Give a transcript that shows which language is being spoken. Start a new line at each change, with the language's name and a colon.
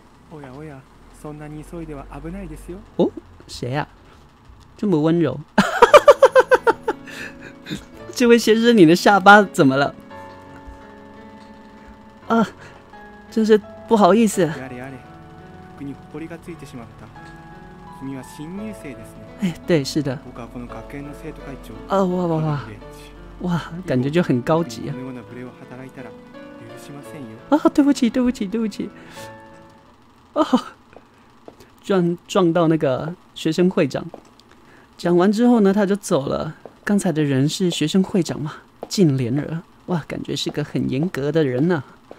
Japanese: おやおや、そんなに急いでは危ないですよ。
Chinese: 哦，谁啊？这么温柔。这位先生，你的下巴怎么了？啊，真是。不好意思。
Japanese: やれやれ、服にほこりがついてしまった。君は新入生ですね。
Chinese: え、对，是的。
Japanese: 僕はこの学園の生徒会長。あ、わわわ。
Chinese: 哇，感觉就很高级啊。
Japanese: このような無礼を働いたら許しませんよ。
Chinese: 啊，对不起，对不起，对不起。啊，撞到那个学生会长。讲完之后呢，他就走了。刚才的人是学生会长吗？近莲儿，哇，感觉是个很严格的人呢、啊。